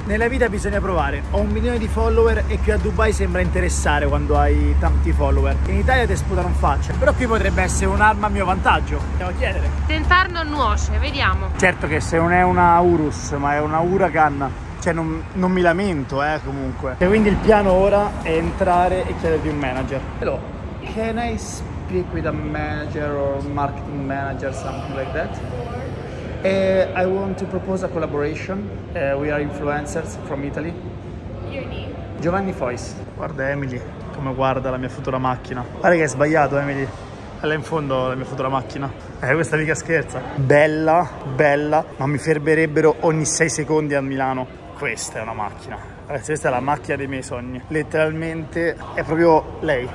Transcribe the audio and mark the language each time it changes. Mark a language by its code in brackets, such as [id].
[it] Nella vita bisogna provare. Ho 1 milione di follower e qui a Dubai sembra interessare quando hai tanti follower. In Italia te sputa non faccia, però qui potrebbe essere un'arma a mio vantaggio. Andiamo a chiedere. Tentar non nuoce, vediamo. Certo che se non è una Urus ma è una Huracan, cioè non mi lamento, comunque. E quindi il piano ora è entrare e chiedervi un manager. [en] Hello, can I speak with a manager or marketing manager, something like that? I want to propose a collaboration. We are influencers from Italy. Your name? [it] Giovanni Fois. Guarda Emily come guarda la mia futura macchina. Pare che hai sbagliato, Emily. È là in fondo la mia futura macchina. Questa mica scherza. Bella, bella, ma mi fermerebbero ogni 6 secondi a Milano. Questa è una macchina. Ragazzi, questa è la macchina dei miei sogni. Letteralmente è proprio lei.